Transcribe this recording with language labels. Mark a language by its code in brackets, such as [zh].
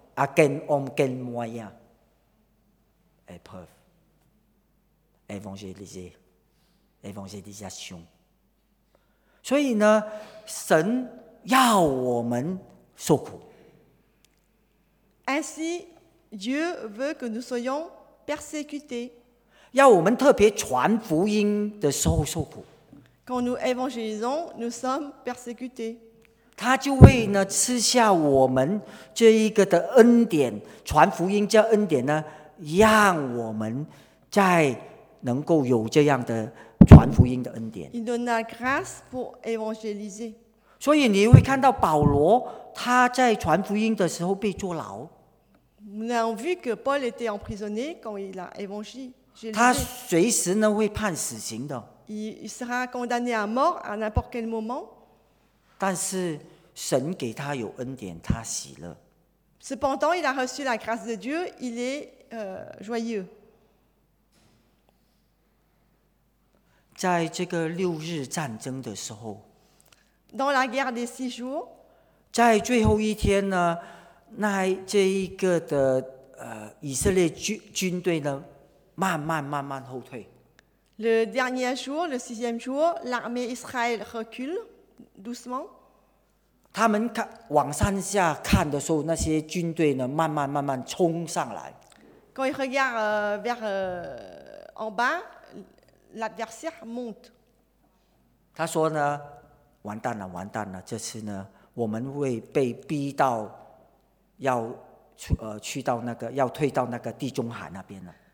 [fr] À quel homme, quel moyen? Épreuve. Évangéliser. Évangélisation. [zh] 所以呢，神要我们受苦。 [fr] Ainsi, Dieu veut que nous soyons persécutés. [zh] 要我们特别传福音的时候受苦。 [fr] Quand nous évangélisons, nous sommes persécutés. [zh] 他就会呢赐下我们这一个的恩典，传福音这恩典呢，让我们再能够有这样的传福音的恩典。 [fr] Il donne la grâce pour évangéliser. [zh] 所以你会看到保罗他在传福音的时候被坐牢。 [fr] Nous avons vu que Paul était emprisonné quand il a évangélisé. [zh] 他随时呢会判死刑的。 [fr] Il sera condamné à mort à n'importe quel moment. [zh] 但是神给他有恩典，他喜乐。 [fr] Cependant, il a reçu la grâce de Dieu, il est joyeux. [zh] 在这个六日战争的时候 [fr] ，dans la guerre des six jours， [zh] 在最后一天呢，那这一个的以色列军队呢，慢慢后退。 [fr] Le dernier jour, le sixième jour, l'armée israël recule doucement。 [zh] 他们看往山下看的时候，那些军队呢，慢慢冲上来。 [fr] Quand ils regardent en bas, l'adversaire monte。 [zh] 他说呢，完蛋了，这次呢，我们会被逼到要去到那个要退到那个地中海那边了。